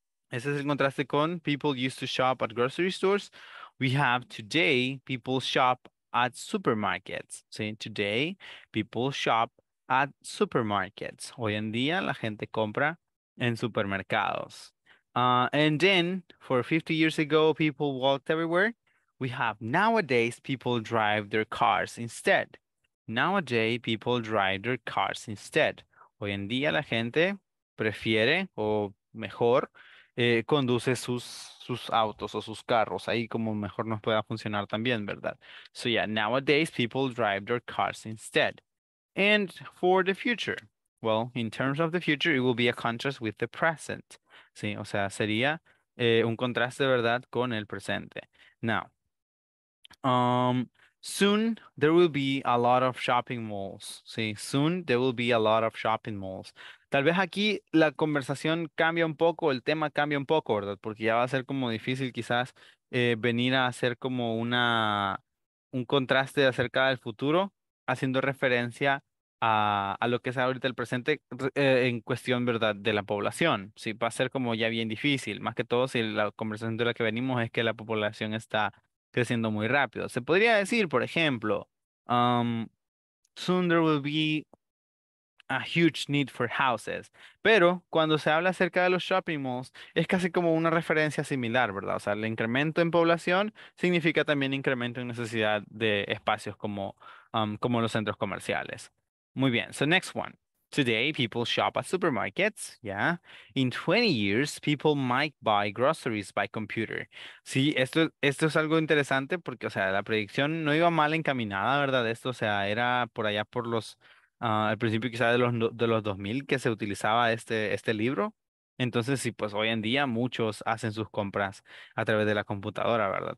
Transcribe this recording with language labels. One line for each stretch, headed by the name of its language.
Spanish: Ese es el contraste con
English: people used to shop at grocery stores. We have today, people shop at supermarkets.
Spanish: ¿Sí?
English: Today, people shop at supermarkets.
Spanish: Hoy en día, la gente compra en supermercados.
English: And then, for 50 years ago, people walked everywhere. We have nowadays, people drive their cars instead. Nowadays, people drive their cars instead.
Spanish: Hoy en día, la gente prefiere, o mejor, conduce sus autos o sus carros, ahí como mejor nos pueda funcionar también, ¿verdad?
English: So yeah, nowadays people drive their cars instead. And for the future, well, in terms of the future, it will be a contrast with the present.
Spanish: Sí, o sea, sería un contraste, ¿verdad?, con el presente.
English: Now, soon there will be a lot of shopping malls.
Spanish: Sí,
English: soon there will be a lot of shopping malls.
Spanish: Tal vez aquí la conversación cambia un poco, el tema cambia un poco, ¿verdad? Porque ya va a ser como difícil quizás venir a hacer como un contraste acerca del futuro, haciendo referencia a lo que es ahorita el presente en cuestión, ¿verdad?, de la población. Sí, va a ser como ya bien difícil, más que todo si la conversación de la que venimos es que la población está creciendo muy rápido. Se podría decir, por ejemplo,
English: soon there will be a huge need for houses.
Spanish: Pero cuando se habla acerca de los shopping malls, es casi como una referencia similar, ¿verdad? O sea, el incremento en población significa también incremento en necesidad de espacios como, como los centros comerciales. Muy bien,
English: so next one. Today, people shop at supermarkets, yeah. In 20 years, people might buy groceries by computer.
Spanish: Sí, esto es algo interesante porque, o sea, la predicción no iba mal encaminada, ¿verdad? Esto, o sea, era por allá por los al principio quizás de los 2000 que se utilizaba este libro. Entonces, sí, pues hoy en día muchos hacen sus compras a través de la computadora, ¿verdad?